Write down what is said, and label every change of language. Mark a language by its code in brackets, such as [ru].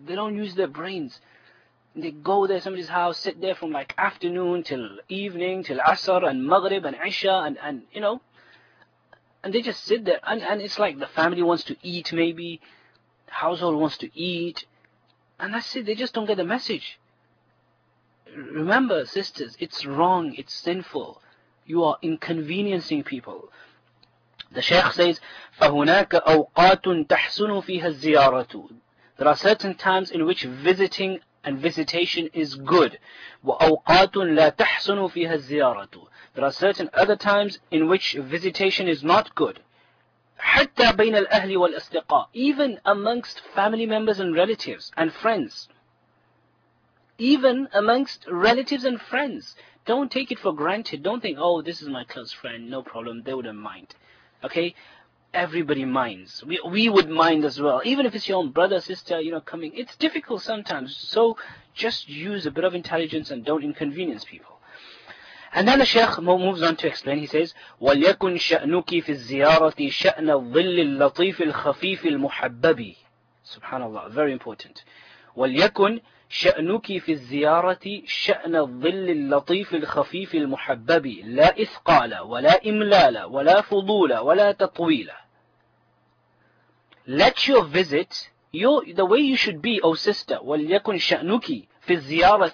[en] They don't use their brains. They go there, somebody's house, sit there from like afternoon till evening, till Asr and Maghrib and Isha, and you know. And they just sit there. And it's like the family wants to eat maybe. Household wants to eat. And that's it. They just don't get the message. Remember, sisters, it's wrong. It's sinful. You are inconveniencing people. The Sheikh says, [ar] فَهُنَاكَ أَوْقَاتٌ تَحْسُنُ فِيهَا الزِّيَارَةُ. [en] There are certain times in which visiting and visitation is good. [ar] وَأَوْقَاتٌ لَا تَحْسُنُ فِيهَا الزِّيَارَةُ. [en] There are certain other times in which visitation is not good. [ar] حَتَّى بَيْنَ الْأَهْلِ وَالْأَصْدِقَاءِ. [en] Even amongst family members and relatives and friends. even amongst relatives and friends. Don't take it for granted. Don't think, oh, this is my close friend, no problem, they wouldn't mind. Okay? Everybody minds. We would mind as well. Even if it's your own brother, sister, you know, coming. It's difficult sometimes. So just use a bit of intelligence and don't inconvenience people. And then the Shaykh moves on to explain. He says, [ar] وَلْيَكُنْ شَأْنُكِ فِي الزِّيَارَةِ شَأْنَ الظِّلِّ اللَّطِيفِ الْخَفِيفِ الْمُحَبَّبِ. [en] Subhanallah, very important. [ar] وَلْيَكُنْ شَأْنُكِ فِي الزِّيَارَةِ شَأْنَ الظِّلِّ اللَّطِيفِ الْخَفِيفِ الْمُحَبَّبِ لَا إِثْقَالَ وَلَا إِمْلَالَ وَلَا فُضُولَ وَلَا تَطْوِيلَ. [en] Let your visit, the way you should be, O sister, [ar] وَلْيَكُنْ شَأْنُكِ فِي الزِّيَارَةِ.